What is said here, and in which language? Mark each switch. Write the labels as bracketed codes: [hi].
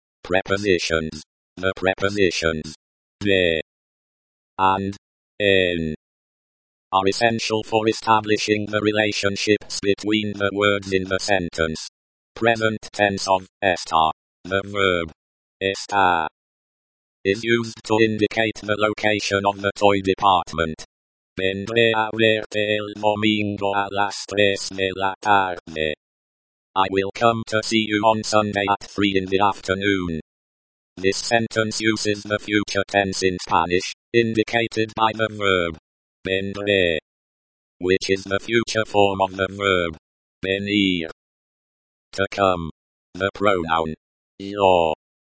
[en] Prepositions. The prepositions. De. And. En. Are essential for establishing the relationships between the words in the sentence. Present tense of estar. The verb. Estar. Is used to indicate the location of the toy department. [es] Vendré a verte el domingo a las tres de la tarde. [en] I will come to see you on Sunday at 3 in the afternoon. This sentence uses the future tense in Spanish, indicated by the verb. Vendré. Which is the future form of the verb. Venir. To come. The pronoun. Yo.